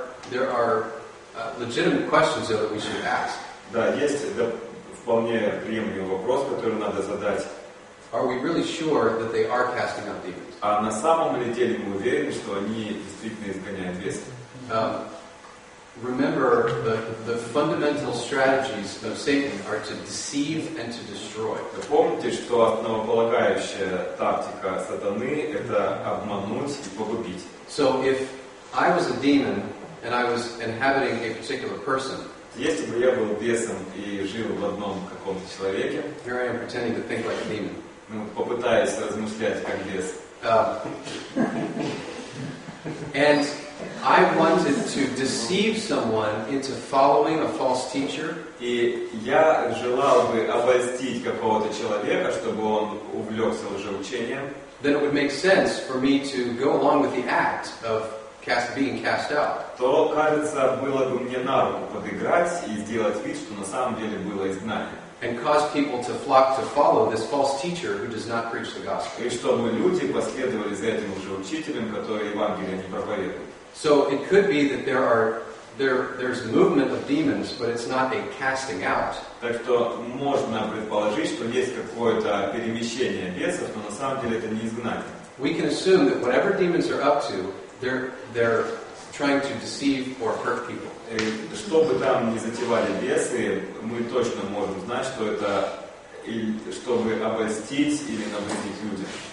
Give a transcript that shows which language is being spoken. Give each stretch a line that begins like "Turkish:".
English: There are legitimate questions though that we should ask.
Russian: Да, есть вполне приемлемый вопрос, который надо задать.
English: Are we really sure that they are casting out demons?
Russian: А на самом ли деле мы уверены, что они действительно изгоняют бесов?
English: Remember, the fundamental strategies of Satan are to deceive and to destroy.
Russian: Помните, что основополагающая тактика сатаны – это обмануть и погубить.
English: So if I was a demon and I was inhabiting a particular person,
Russian: если бы я был бесом и жил в одном каком-то человеке,
English: here I am pretending to think like a demon.
Russian: Ну, попытаюсь размышлять как бес.
English: And I wanted to deceive someone into following a false teacher.
Russian: И я желал бы обольстить какого-то человека, чтобы он увлекся лжеучением.
English: Then it would make sense for me to go along with the act of being cast out.
Russian: То, кажется, было бы мне на руку подыграть и сделать вид, что на самом деле было изгнание.
English: And cause people to flock to follow this false teacher who does not preach the gospel.
Russian: И чтобы люди последовали за этим уже учителем, который Евангелие не проповедует.
English: So it could be that there's a movement of demons, but it's not a casting out.
Russian: Так что можно предположить, что есть какое-то перемещение бесов, но на самом деле это не изгнание.
English: We can assume that whatever demons are up to, they're trying to deceive or hurt people.
Russian: Что бы там ни затевали бесы, мы точно можем знать, что это чтобы обольстить или навредить людям.